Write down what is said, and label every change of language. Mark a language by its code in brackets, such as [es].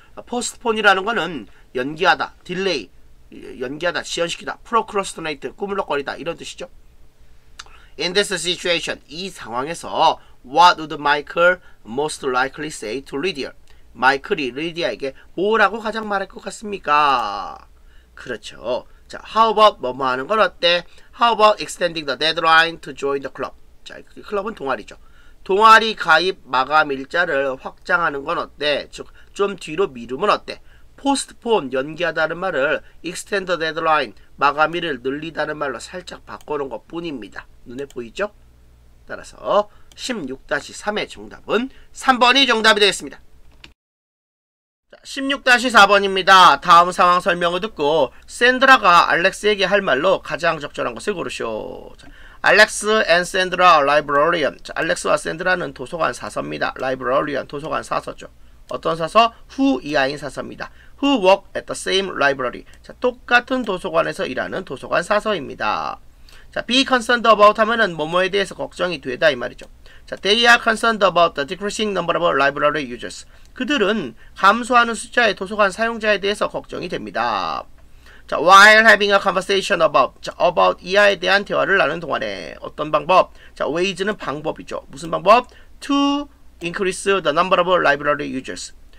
[ko] postpone이라는 거는 연기하다, delay 연기하다, 지연시키다, procrastinate 꾸물럭거리다 이런 뜻이죠. [en] In this situation [ko] 이 상황에서 [en] what would Michael most likely say to Lydia? [ko] 마이클이 리디아에게 뭐라고 가장 말할 것 같습니까? 그렇죠. 자, [en] how about [ko] 뭐뭐 하는 건 어때? [en] How about extending the deadline to join the club? [ko] 자, 클럽은 동아리죠. 동아리 가입 마감 일자를 확장하는 건 어때? 즉, 좀 뒤로 미루면 어때? postpone, 연기하다는 말을 [en] extend the deadline, [ko] 마감일을 늘리다는 말로 살짝 바꿔놓은 것 뿐입니다. 눈에 보이죠? 따라서 16-3의 정답은 3번이 정답이 되겠습니다. 16-4번입니다. 다음 상황 설명을 듣고 샌드라가 알렉스에게 할 말로 가장 적절한 것을 고르쇼. [en] 자, Alex and Sandra are librarian. [ko] 자, 알렉스와 샌드라는 도서관 사서입니다. Librarian, 도서관 사서죠. 어떤 사서? Who 이하인 사서입니다. [en] Who work at the same library. [ko] 자, 똑같은 도서관에서 일하는 도서관 사서입니다. 자, be concerned about 하면은 뭐뭐에 대해서 걱정이 되다 이 말이죠. [en] 자, they are concerned about the decreasing number of library users. [ko] 그들은 감소하는 숫자의 도서관 사용자에 대해서 걱정이 됩니다. 자, [en] while having a conversation about, [ko] 자, about 이하에 대한 대화를 나눈 동안에 어떤 방법? [en] 자, ways는 [ko] 방법이죠. 무슨 방법? [en] To increase the number of library users.